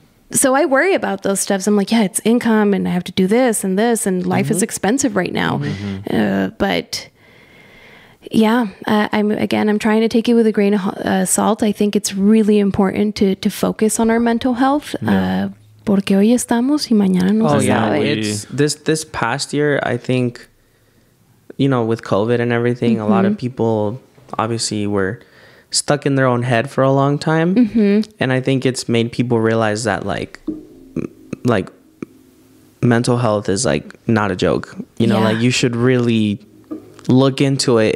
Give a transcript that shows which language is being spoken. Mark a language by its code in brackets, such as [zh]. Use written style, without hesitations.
[en] So I worry about those stuffs. I'm like, yeah, it's income and I have to do this and this and life mm-hmm. is expensive right now. Mm-hmm. But yeah, I'm trying to take it with a grain of salt. I think it's really important to focus on our mental health. Yeah. [es] Porque hoy estamos y mañana no se sabe. [en] This past year, I think, you know, with COVID and everything, mm-hmm. a lot of people obviously were stuck in their own head for a long time. Mm-hmm. And I think it's made people realize that like mental health is like not a joke, you know, like you should really look into it.